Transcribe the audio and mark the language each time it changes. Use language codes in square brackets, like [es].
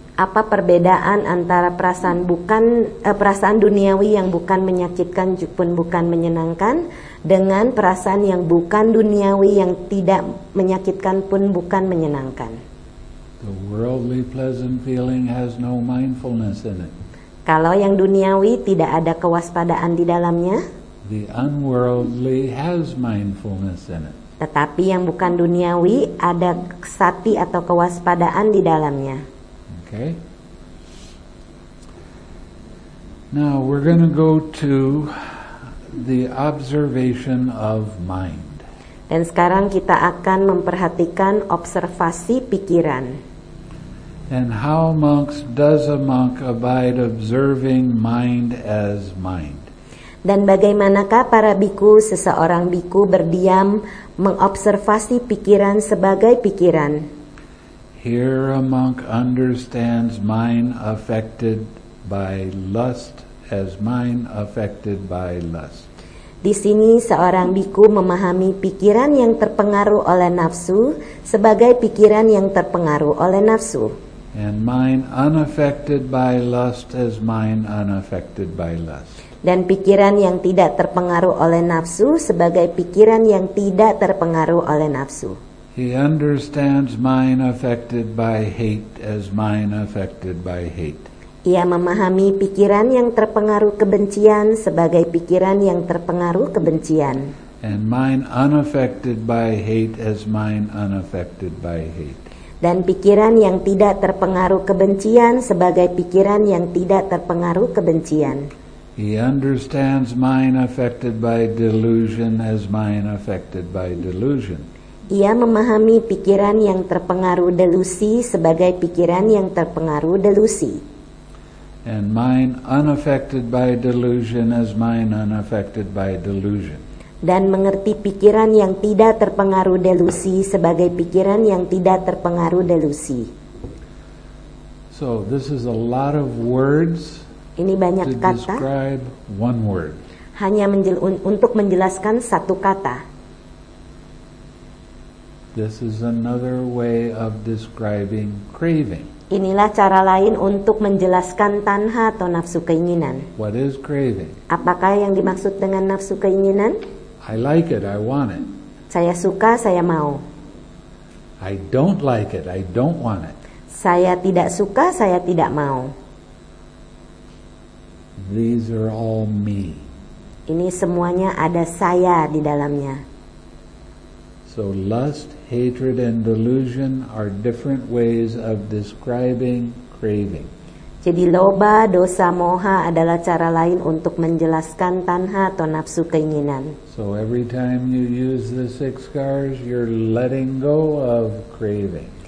[id] Apa perbedaan antara perasaan bukan perasaan duniawi yang bukan menyakitkan pun bukan menyenangkan dengan perasaan yang bukan duniawi yang tidak menyakitkan pun bukan menyenangkan? [en] The worldly pleasant feeling has no mindfulness in it. [id] Kalau yang duniawi tidak ada kewaspadaan di dalamnya. [en] The unworldly has mindfulness in it. [id] Tetapi yang bukan duniawi ada sati atau kewaspadaan di dalamnya. [en] Okay. Now we're going to go to the observation of mind. [id] Dan sekarang kita akan memperhatikan observasi pikiran. [en] And how monks does a monk abide observing mind as mind? [id] Dan bagaimanakah para bhikkhu, seseorang bhikkhu berdiam mengobservasi pikiran sebagai pikiran? [en] Here a monk understands mind affected by lust as mind affected by lust. [id] Di sini seorang bhikkhu memahami pikiran yang terpengaruh oleh nafsu sebagai pikiran yang terpengaruh oleh nafsu. [en] And mind unaffected by lust as mind unaffected by lust. [id] Dan pikiran yang tidak terpengaruh oleh nafsu sebagai pikiran yang tidak terpengaruh oleh nafsu. [en] He understands mind affected by hate as mind affected by hate. [id] Ia memahami pikiran yang terpengaruh kebencian sebagai pikiran yang terpengaruh kebencian. [en] And mind unaffected by hate as mind unaffected by hate. [id] Dan pikiran yang tidak terpengaruh kebencian sebagai pikiran yang tidak terpengaruh kebencian. [en] He understands mind affected by delusion as mind affected by delusion. [id] Ia memahami pikiran yang terpengaruh delusi sebagai pikiran yang terpengaruh delusi. [en] And mind unaffected by delusion as mind unaffected by delusion. [id] Dan mengerti pikiran yang tidak terpengaruh delusi sebagai pikiran yang tidak terpengaruh delusi. [en] So this is a lot of words. [id] Ini banyak [en] to [id] kata. [en] Describe one word. [id] Hanya untuk menjelaskan satu kata. [en] This is another way of describing craving. [id] Inilah cara lain untuk menjelaskan tanha atau nafsu keinginan. [en] What is craving? [id] Apakah yang dimaksud dengan nafsu keinginan? [en] I like it, I want it. [id] Saya suka, saya mau. [en] I don't like it, I don't want it. [id] Saya tidak suka, saya tidak mau. [en] These are all me. [id] Ini semuanya ada saya di dalamnya. [en] So lust, hatred, and delusion are different ways of describing craving. [id] Jadi loba, dosa, moha adalah cara lain untuk menjelaskan tanha atau nafsu keinginan. [en] So every time you use the six cars, you're letting go of craving.